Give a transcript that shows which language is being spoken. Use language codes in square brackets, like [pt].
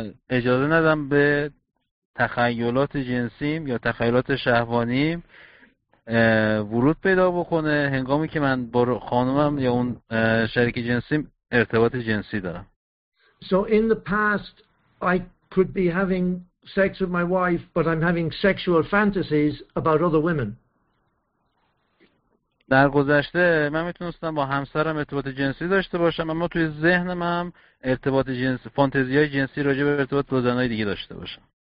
[fa] اجازه ندم به تخیلات جنسیم یا تخیلات شهوانیم ورود پیدا بکنه هنگامی که من با خانومم یا اون شریک جنسیم ارتباط جنسی دارم. [en] So in the past I could be having sex with my wife but I'm having sexual fantasies about other women. [fa] در گذشته من میتونستم با همسرم ارتباط جنسی داشته باشم، اما توی ذهنم هم ارتباط جنسی، فانتزیای جنسی راجع به ارتباط با زنای دیگه داشته باشم.